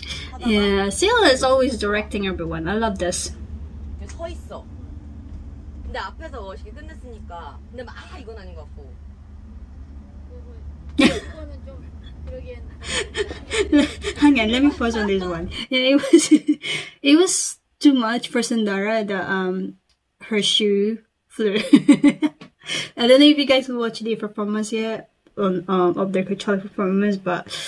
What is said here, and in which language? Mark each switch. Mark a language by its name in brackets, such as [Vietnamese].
[English] 하다가 yeah, CL is always directing everyone. I love this. [Korean] 서 있어. 근데 앞에서 멋있게 끝냈으니까. 근데 막 아, 이건 아닌 것 같고. 이거는 좀. [English] Hang on, let me pause on this one. Yeah, it was too much for Sandara that her shoe flew. I don't know if you guys watched the performance yet on of their Coachella performance, but